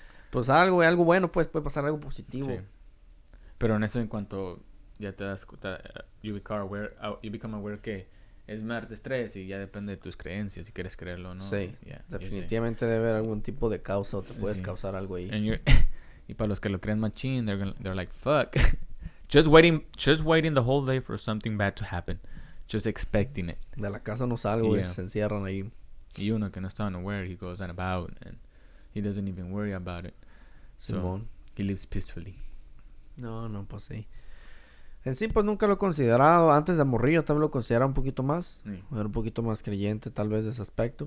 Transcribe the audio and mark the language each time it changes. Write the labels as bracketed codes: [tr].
[es] Pues algo, güey, algo bueno, pues, puede pasar algo positivo. Sí. Pero en eso, en cuanto ya te das cuenta, [en] you become aware [es] que es martes 3 y ya depende de tus creencias, si quieres creerlo o no. Sí, definitivamente debe haber algún tipo de causa o te puedes causar algo ahí. Y para los que lo creen machín, [en] they're like, fuck. Just waiting the whole day for something bad to happen. Just expecting it. [es] De la casa no salgo, güey, se encierran ahí. [en] Y uno que no está unaware, he goes on about and... He doesn't even worry about it. [es] Simón. [en] So, he lives peacefully. [es] No, pues sí. En sí, pues nunca lo he considerado. Antes de morir, tal vez lo consideraba un poquito más. Sí. Era un poquito más creyente, tal vez, de ese aspecto.